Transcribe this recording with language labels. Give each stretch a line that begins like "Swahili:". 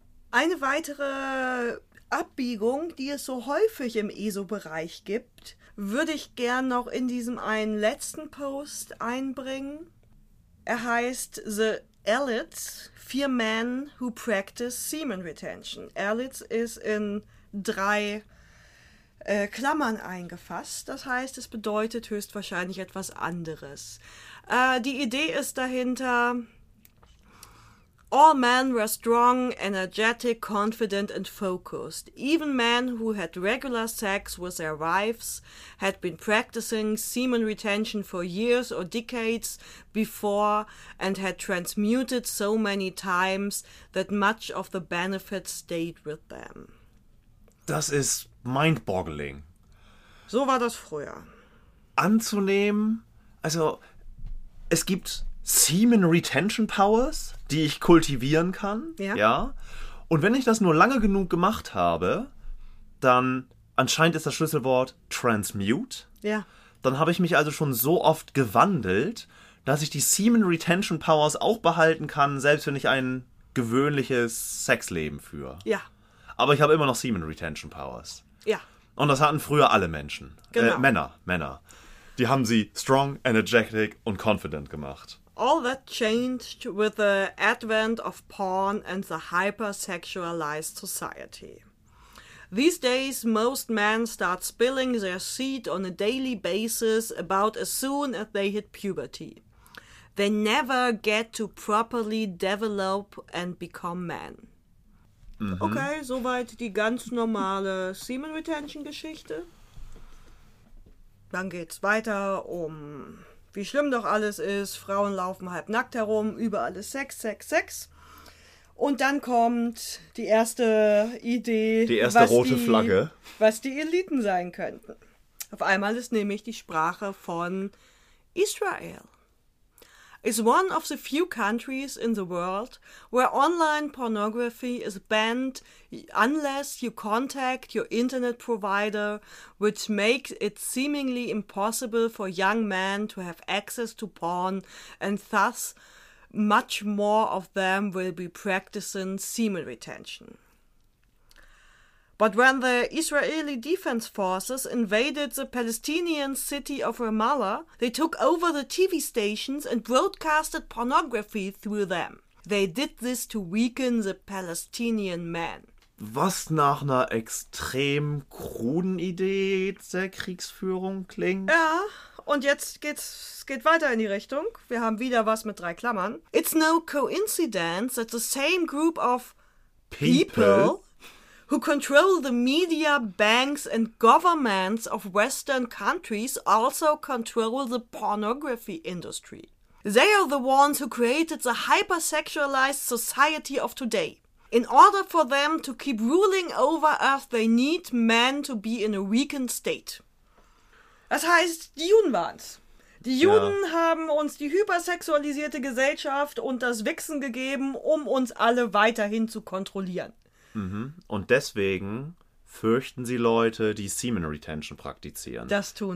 German: Eine weitere Abbiegung, die es so häufig im ESO-Bereich gibt, würde ich gern noch in diesem einen letzten Post einbringen. Er heißt The Elites, Four Men Who Practice Semen Retention. Elites ist in drei Klammern eingefasst. Das heißt, es bedeutet höchstwahrscheinlich etwas anderes. Die Idee ist dahinter:
English: All men were strong, energetic, confident and focused. Even men who had regular sex with their wives had been practicing semen retention for years or decades before and had transmuted so many times that much of the benefits stayed with them.
German: Das ist mind-boggling. So war das früher. Anzunehmen, also es gibt Semen Retention Powers, die ich kultivieren kann. Ja. Und wenn ich das nur lange genug gemacht habe, dann anscheinend ist das Schlüsselwort transmute. Ja. Dann habe ich mich also schon so oft gewandelt, dass ich die Semen Retention Powers auch behalten kann, selbst wenn ich ein gewöhnliches Sexleben führe. Ja. Aber ich habe immer noch Semen Retention Powers. Ja. Und das hatten früher alle Menschen. Genau. Männer. Die haben sie strong, energetic und confident gemacht.
English: All that changed with the advent of porn and the hyper-sexualized society. These days, most men start spilling their seed on a daily basis about as soon as they hit puberty. They never get to properly develop and become men. Mhm.
German: Okay, soweit die ganz normale Semen-Retention-Geschichte. Dann geht's weiter um, wie schlimm doch alles ist. Frauen laufen halb nackt herum, überall ist Sex, Sex, Sex. Und dann kommt die erste Idee, die erste rote Flagge, was die Eliten sein könnten. Auf einmal ist nämlich die Sprache von Israel.
English: It's one of the few countries in the world where online pornography is banned unless you contact your internet provider, which makes it seemingly impossible for young men to have access to porn, and thus much more of them will be practicing semen retention. But when the Israeli Defense Forces invaded the Palestinian city of Ramallah, they took over the TV stations and broadcasted pornography through them. They did this to weaken the Palestinian men.
German: Was nach einer extrem kruden Idee der Kriegsführung klingt. Ja, und jetzt geht weiter in die Richtung. Wir haben wieder was mit drei Klammern.
English: It's no coincidence that the same group of people who control the media, banks and governments of Western countries also control the pornography industry. They are the ones who created the hyper-sexualized society of today. In order for them to keep ruling over us, they need men to be in a weakened state.
German: Das heißt, die Juden waren's. Die Juden haben uns die hypersexualisierte Gesellschaft und das Wichsen gegeben, um uns alle weiterhin zu kontrollieren. Und deswegen fürchten sie Leute, die Semen Retention praktizieren. Das tun